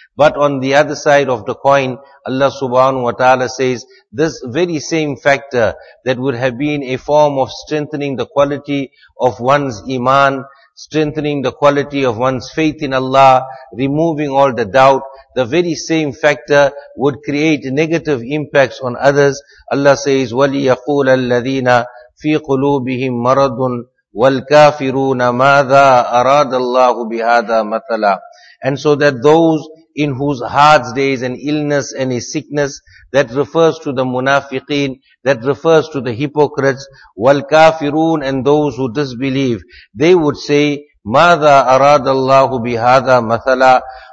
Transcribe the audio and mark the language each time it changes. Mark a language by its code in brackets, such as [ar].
[en] But on the other side of the coin, Allah subhanahu wa ta'ala says, this very same factor that would have been a form of strengthening the quality of one's iman, strengthening the quality of one's faith in Allah, removing all the doubt, the very same factor would create negative impacts on others. Allah says, [ar] وَلِيَقُولَ الَّذِينَ فِي قُلُوبِهِمْ مَرَضٌ وَالْكَافِرُونَ مَاذَا أَرَادَ اللَّهُ بِهَذَا مَثَلًا. [en] And so that those in whose hearts there is an illness and a sickness, that refers to the munafiqeen, that refers to the hypocrites, [ar] وَالْكَافِرُونَ, [en] and those who disbelieve, they would say, [ar] مَاذَا أَرَادَ اللَّهُ بِهَذَا مَثَلًا.